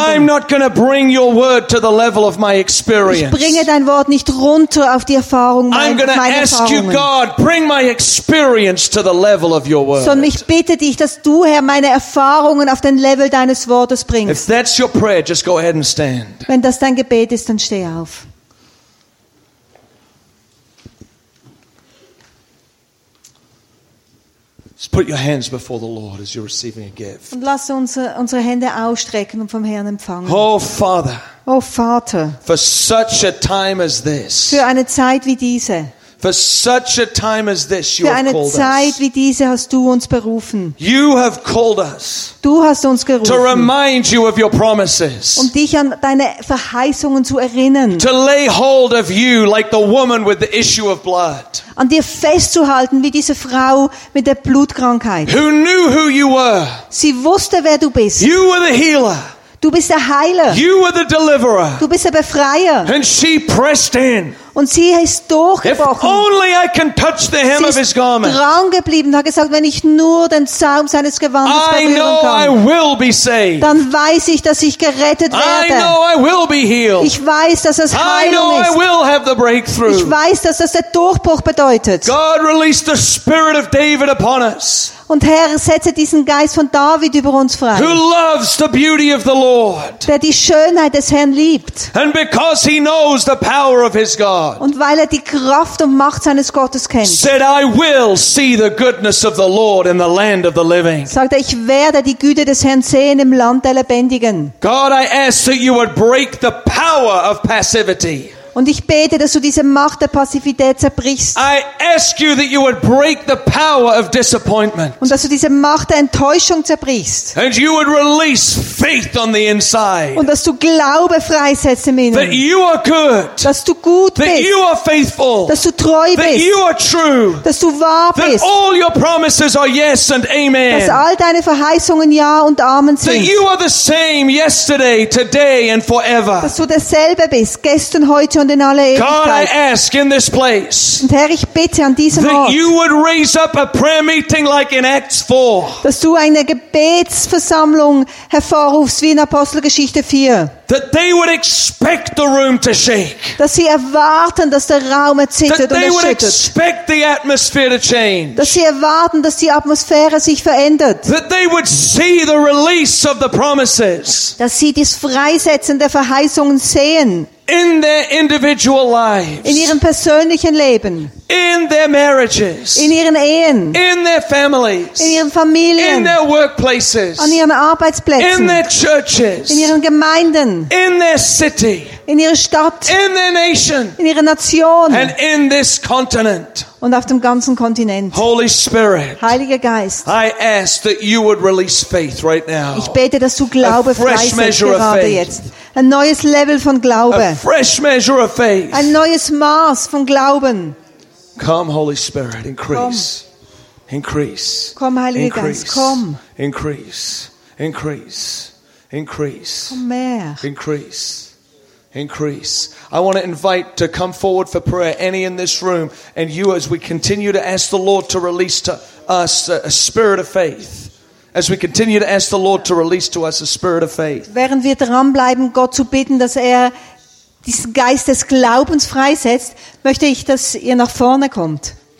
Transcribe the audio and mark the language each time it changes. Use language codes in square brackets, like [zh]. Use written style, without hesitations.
[en] I'm not going to bring your word to the level of my experience. [de] Ich bringe dein Wort nicht runter auf die Erfahrung meiner Erfahrungen. [en] I'm going to ask you, God, bring my experience to the level of your word. [de] Sondern ich bitte dich, dass du, Herr, meine Erfahrungen auf den Level deines Wortes bringst. [en] If that's your prayer, just go ahead and stand. [de] Wenn das dein Gebet ist, dann steh auf. [en] Put your hands before the Lord as you're receiving a gift. [de] Und lass unsere Hände ausstrecken und vom Herrn empfangen. [en] Oh Father. [de] Oh Vater. [en] For such a time as this. [de] Für eine Zeit wie diese. [en] For such a time as this, you have called us. [de] Für eine Zeit wie diese hast du uns berufen. [en] You have called us. [de] Du hast uns gerufen. [en] To remind you of your promises. [de] Um dich an deine Verheißungen zu erinnern. [en] To lay hold of you like the woman with the issue of blood. [de] An dir festzuhalten wie diese Frau mit der Blutkrankheit. [en] Who knew who you were. [de] Sie wusste, wer du bist. [en] You were the healer. [de] Du bist der Heiler. [en] You were the deliverer. [de] Du bist der Befreier. [en] And she pressed in. [de] Und sie ist durchgebrochen. [en] If only I can touch the hem of his garment. [de] Sie ist dran geblieben und hat gesagt, wenn ich nur den Saum seines Gewandes berühren kann, [en] I will be saved. [de] Dann weiß ich, dass ich gerettet werde. [en] I know I will be healed. [de] Ich weiß, dass das Heilung [en] I know [de] ist. [en] I will have the breakthrough. [de] Ich weiß, dass das der Durchbruch bedeutet. [en] God released the spirit of David upon us. [de] Und Herr, setze diesen Geist von David über uns frei. [en] Who loves the beauty of the Lord. [de] Der die Schönheit des Herrn liebt. [en] And because he knows the power of his God. [de] Und weil er die Kraft und Macht seines Gottes kennt. [en] Said I will see the goodness of the Lord in the land of the living. [de] Sagt er, ich werde die Güte des Herrn sehen im Land der Lebendigen. [en] God, I ask that you would break the power of passivity. [de] Und ich bete, dass du diese Macht der Passivität zerbrichst. [en] I ask you that you would break the power of disappointment. [de] Und dass du diese Macht der Enttäuschung zerbrichst. [en] And you would release faith on the inside. [de] Und dass du Glaube freisetzt im Inneren. [en] That you are good. [de] Dass du gut [en] that [de] bist. [en] That you are faithful. [de] Dass du treu [en] that That you are true. [de] Dass du wahr [en] that [de] bist. [en] That all your promises are yes and amen. [de] Dass all deine Verheißungen ja und amen sind. [en] That you are the same yesterday, today and forever. [de] Dass du derselbe bist, gestern, heute und in aller Ewigkeit. [en] God, I ask in this place, [de] und Herr, ich bitte an diesem [en] that [de] Ort, [en] you would raise up a prayer meeting like in Acts 4. [de] Dass du eine Gebetsversammlung hervorrufst wie in Apostelgeschichte 4. [en] That they would expect the room to shake. [de] Dass sie erwarten, dass der Raum erzittert [en] that they [de] und [en] would expect the atmosphere to change. [de] Dass sie erwarten, dass die Atmosphäre sich verändert. [en] That they would see the release of the promises. [de] Dass sie das Freisetzen der Verheißungen sehen. [en] In their individual lives. [de] In ihren persönlichen Leben. [en] In their marriages. [de] In ihren Ehen. [en] In their families. [de] In ihren Familien. [en] In their workplaces. [de] An ihren Arbeitsplätzen. [en] In their churches. [de] In ihren Gemeinden. [en] In their city. [de] In ihrer Stadt. [en] In their nation. [de] In ihrer Nation. [en] And in this continent. [de] Und auf dem ganzen Kontinent. [en] Holy Spirit. [de] Heiliger Geist. [en] I ask that you would release faith right now. [de] Ich bete, dass du Glaube freisetzt gerade jetzt. Ein neues Level von Glaube. [en] A fresh measure of faith. [de] Ein neues Maß von Glauben. [en] Come, Holy Spirit, increase. [de] Komm. [en] Increase. [de] Komm, Heiliger Geist, komm. [en] Increase. Increase. Increase. [de] Komm mehr. [en] Increase. Increase. I want to invite to come forward for prayer any in this room and you as we continue to ask the Lord to release to us a spirit of faith. As we continue to ask the Lord to release to us a spirit of faith. [de] Während wir dran bleiben, Gott zu bitten, dass er diesen Geist des Glaubens freisetzt, möchte ich, dass ihr nach vorne kommt.